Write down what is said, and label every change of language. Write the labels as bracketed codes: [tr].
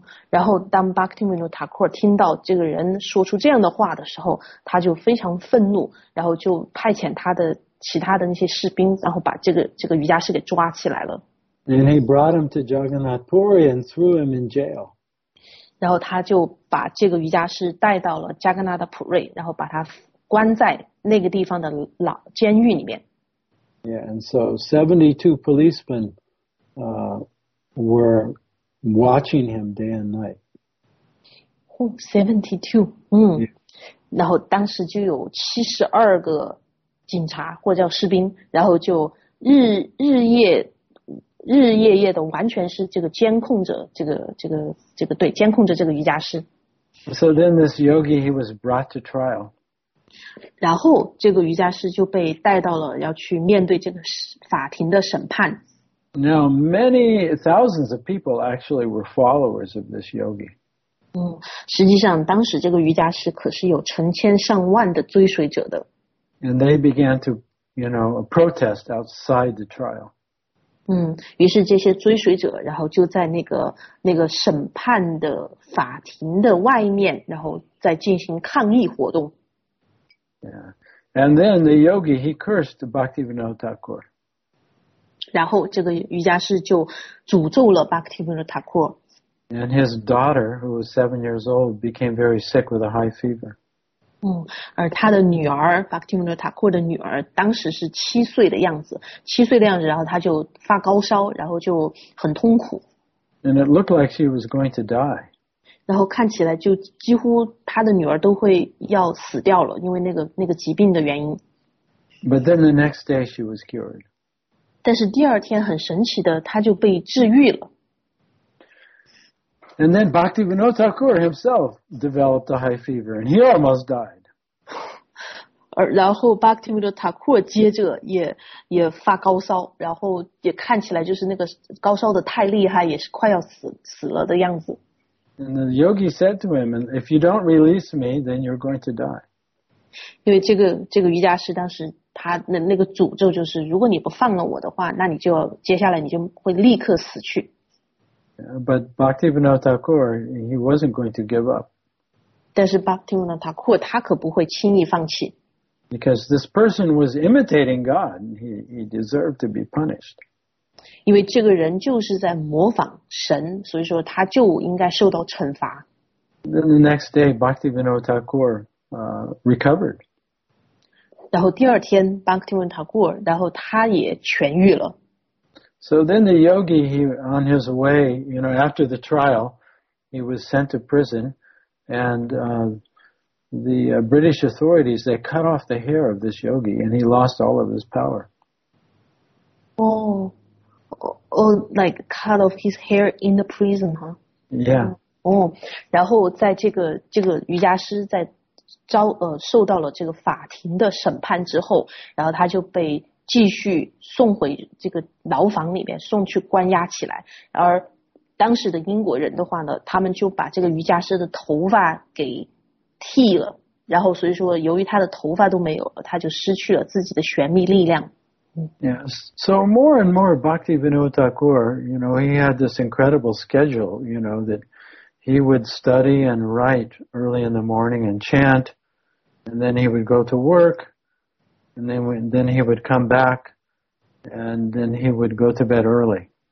[zh] 然后当 Bhaktivinoda Thakur 听到这个人说出这样的话的时候，他就非常愤怒，然后就派遣他的其他的那些士兵，然后把这个瑜伽师给抓起来了。 [en] And he brought him to Jagannath Puri and threw him in jail. [zh] 然后他就把这个瑜伽师带到了加格纳的普瑞，然后把他关在那个地方的牢监狱里面。 [en] Yeah, and so 72 policemen, were watching him day and night. Oh, 72. Yeah. [zh] 然后当时就有72个警察或者叫士兵，然后就日日夜夜的完全是这个监控着这个对监控着这个瑜伽师。 [en] So then this yogi, he was brought to trial. [zh] 然后这个瑜伽师就被带到了要去面对这个法庭的审判。 [en] Now, many thousands of people actually were followers of this yogi. [zh] 实际上当时这个瑜伽师可是有成千上万的追随者的。 [en] And they began to, you know, protest outside the trial. [zh] 于是这些追随者然后就在那个审判的法庭的外面然后再进行抗议活动。 [en] Yeah. And then the yogi, he cursed Bhaktivinoda Thakur. [zh] 然后这个瑜伽师就诅咒了 Bhaktivinoda Thakur. [en] And his daughter, who was 7 years old, became very sick with a high fever. [zh] 而他的女儿 Bhaktivinoda Thakur 的女儿当时是七岁的样子，然后他就发高烧，然后就很痛苦。 [en] And it looked like she was going to die. [zh] 然后看起来就几乎他的女儿都会要死掉了，因为那个疾病的原因。 [en] But then the next day she was cured. [zh] 但是第二天很神奇的，她就被治愈了。 [en] And then Bhaktivinoda Thakur himself developed a high fever, and he almost died. [zh] 然后 Bhaktivinoda Thakur 接着也发高烧，然后也看起来就是那个高烧的太厉害，也是快要死了的样子。 [en] And the yogi said to him, if you don't release me, then you're going to die. [zh] 因为这个瑜伽师当时他那个诅咒就是如果你不放了我的话那你就接下来你就会立刻死去。 [en] But Bhaktivinoda Thakur, he wasn't going to give up. [zh] 但是 Bhaktivinoda Thakur, 他可不会轻易放弃。 [en] Because this person was imitating God, he deserved to be punished. [zh] 因为这个人就是在模仿神，所以说他就应该受到惩罚。 [en] Then the next day, Bhaktivinoda Thakur recovered. [zh] 然后第二天 ，Bhaktivinoda Thakur， 然后他也痊愈了。 [en] So then the yogi, he on his way, you know, after the trial, he was sent to prison, and the British authorities they cut off the hair of this yogi, and he lost all of his power. Oh. Like cut off his hair in the prison, huh? Yeah. [zh] 然后在这个瑜伽师在遭受到了这个法庭的审判之后，然后他就被继续送回这个牢房里面，送去关押起来。而当时的英国人的话呢，他们就把这个瑜伽师的头发给剃了，然后所以说由于他的头发都没有了，他就失去了自己的旋律力量。 [en] Yes. So more and more Bhaktivinoda Thakur, you know, he had this incredible schedule, you know, that he would study and write early in the morning and chant, and then he would go to work, and then he would come back, and then he would go to bed early.